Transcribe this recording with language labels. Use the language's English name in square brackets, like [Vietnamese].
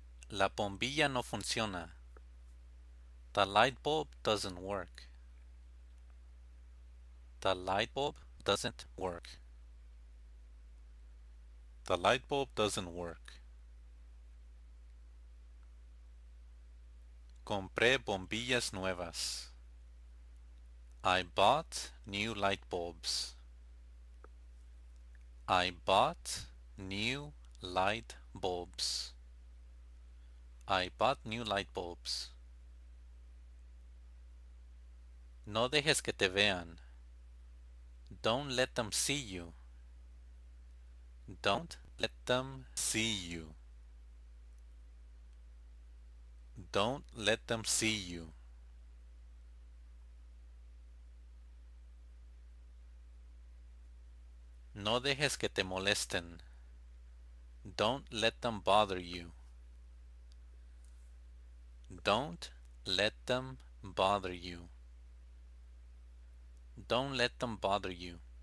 [Spanish] La bombilla no funciona. [English] The light bulb doesn't work. The light bulb doesn't work. The light bulb doesn't work. [Spanish] Compré bombillas nuevas. [English] I bought new light bulbs. I bought new light bulbs. I bought new light bulbs. [Spanish] No dejes que te vean. [English] Don't let them see you. Don't let them see you. Don't let them see you. [Spanish] No dejes que te molesten. [English] Don't let them bother you. Don't let them bother you. Don't let them bother you.